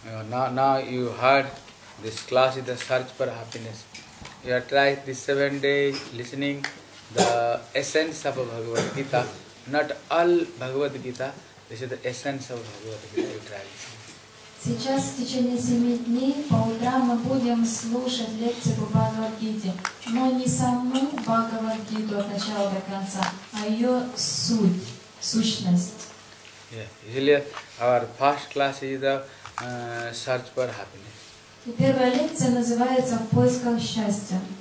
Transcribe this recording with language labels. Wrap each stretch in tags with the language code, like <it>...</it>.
<en>now you heard this class is the search for happiness you have tried this 7 day listening the essence of Bhagavad Gita not all Bhagavad Gita this is the essence of Bhagavad Gita you try</en> <ru>Сейчас в течение 7 дней по утрам мы будем слушать лекции по Бхагавад-гите, но не саму Бхагавад-гиту от начала до конца, а ее суть, сущность.</ru> <en>Yeah, usually our first class is the search for happiness.</en> <ru>И первая лекция называется «В поисках счастья».</ru>